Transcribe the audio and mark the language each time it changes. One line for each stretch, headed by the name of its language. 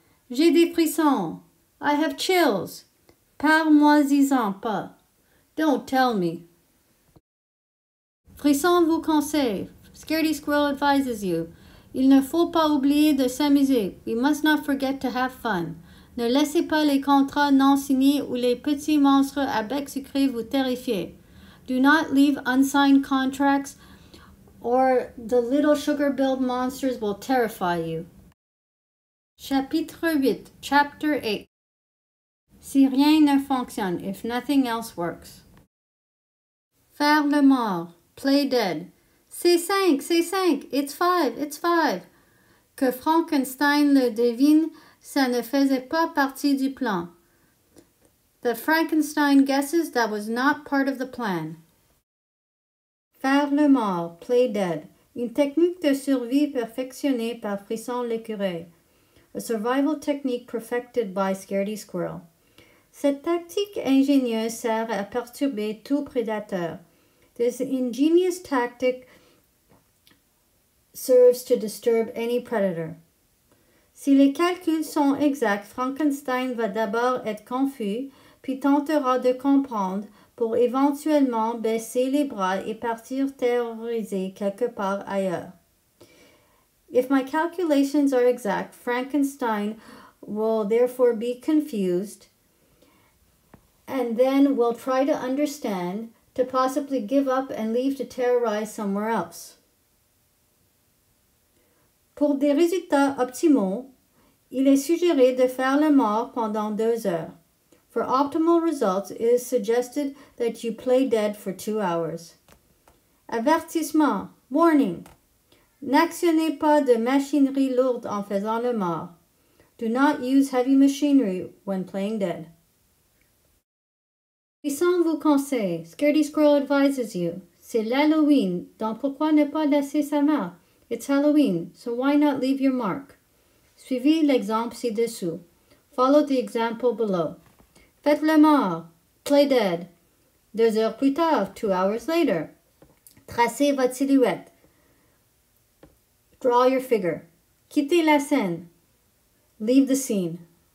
French: J'ai des frissons.
English: I have chills.
French: Parle-moi-en pas.
English: Don't tell me.
French: Frisson vous conseille.
English: Scaredy squirrel advises you.
French: Il ne faut pas oublier de s'amuser.
English: We must not forget to have fun.
French: Ne laissez pas les contrats non signés ou les petits monstres à bec sucré vous terrifier.
English: Do not leave unsigned contracts or the little sugar-billed monsters will terrify you.
French: Chapitre 8. Chapter 8. Si rien ne fonctionne,
English: if nothing else works.
French: Faire le mort.
English: Play dead.
French: C'est cinq,
English: it's five, it's five.
French: Que Frankenstein le devine, ça ne faisait pas partie du plan.
English: The Frankenstein guesses that was not part of the plan.
French: Faire le mort,
English: play dead.
French: Une technique de survie perfectionnée par Frisson l'écureuil.
English: A survival technique perfected by Scaredy Squirrel.
French: Cette tactique ingénieuse sert à perturber tout prédateur.
English: This ingenious tactic serves to disturb any predator.
French: Si les calculs sont exacts, Frankenstein va d'abord être confus, puis tentera de comprendre pour éventuellement baisser les bras et partir terrorisé quelque part ailleurs.
English: If my calculations are exact, Frankenstein will therefore be confused and then will try to understand to possibly give up and leave to terrorize somewhere else.
French: Pour des résultats optimaux, il est suggéré de faire le mort pendant 2 heures.
English: For optimal results, it is suggested that you play dead for 2 hours.
French: Avertissement, warning. N'actionnez pas de machinerie lourde en faisant le mort.
English: Do not use heavy machinery when playing dead.
French: Frisson vous conseille,
English: Scaredy Squirrel advises you.
French: C'est l'Halloween, donc pourquoi ne pas laisser sa marque?
English: It's Halloween, so why not leave your mark?
French: Suivez l'exemple ci-dessous.
English: Follow the example below.
French: Faites le mort.
English: Play dead.
French: 2 heures plus tard,
English: 2 hours later.
French: Tracez votre silhouette.
English: Draw your figure.
French: Quittez la scène.
English: Leave the scene.